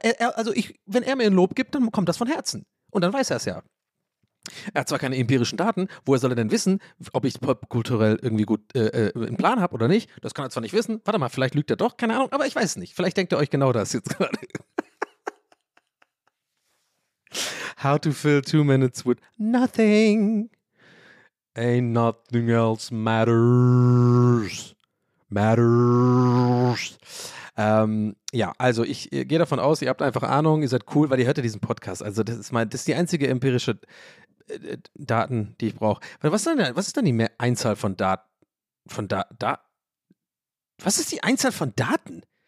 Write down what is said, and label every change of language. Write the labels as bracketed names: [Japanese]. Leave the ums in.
[German] Er, er, also ich, wenn er mir ein Lob gibt, dann kommt das von Herzen. Und dann weiß er es ja. Er hat zwar keine empirischen Daten, woher soll er denn wissen, ob ich popkulturell irgendwie gut äh, äh, einen Plan habe oder nicht? Das kann er zwar nicht wissen. Warte mal, vielleicht lügt er doch, keine Ahnung, aber ich weiß es nicht. Vielleicht denkt er euch genau das jetzt gerade. [English] How to fill two minutes with nothing. Ain't nothing else matters. Matters. [German] Ähm, ja, also ich äh, gehe davon aus, ihr habt einfach Ahnung, ihr seid cool, weil ihr hört ja diesen Podcast. Also das ist mal, das ist die einzige empirische äh, äh, Daten, die ich brauche. Was, ist denn- was ist dann die Mehr Einzahl von Daten? Von da, da Was ist die Einzahl von Daten?